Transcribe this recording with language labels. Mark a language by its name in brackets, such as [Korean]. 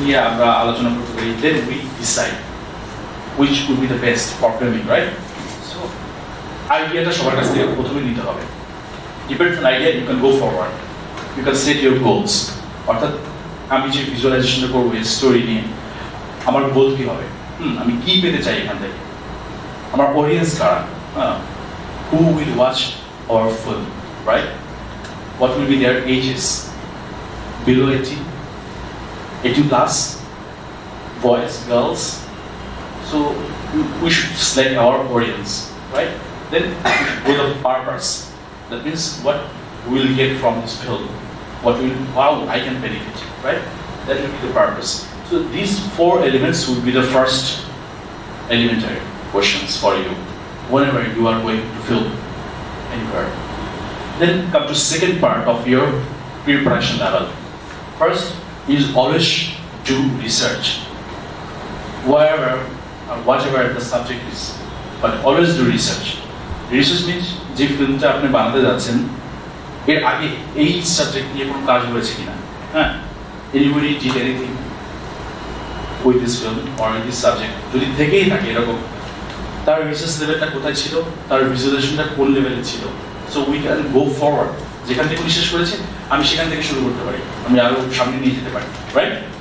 [English] We have to talk about the team. Then we decide which would be the best for filming, right? So, idea is the first thing that we need to have. Depending on the idea, you can go forward. You can set your goals. What the [Bangla] আমি যে ভিজুয়ালাইজেশনটা করবো এই story নিয়ে, আমার বোধ কী হবে, আমি কী পেতে চাই এখান থেকে, আমার অডিয়েন্স কারা, [English] Who will watch our film, right, what will be their ages, below 18, 18 plus, boys, girls, so we should select our audience, right, then go the purpose, that means what will get from this film, what will, how I can benefit, right? That will be the purpose. So these four elements will be the first elementary questions for you whenever you are going to film anywhere. Then come to second part of your pre-production level. First is always do research. Wherever or whatever the subject is, but always do research. Research means [Bangla] je film ta apni banate jacchen এর আগে এই subject নিয়ে কোনো কাজ হয়েছে কিনা, [English] হ্যাঁ anybody did anything with this film or this subject, [Bangla] যদি থেকেই থাকে এরকম, তার রিসার্চ লেভেলটা কোথায় ছিল, তার রিজলিউশনটা কোন লেভেলে ছিল, [English] so we can go forward, [Bangla] যেখান থেকে রিসার্চ করেছে আমি সেখান থেকে শুরু করতে পারি, আমি আরও সামনে নিয়ে যেতে পারি, রাইট?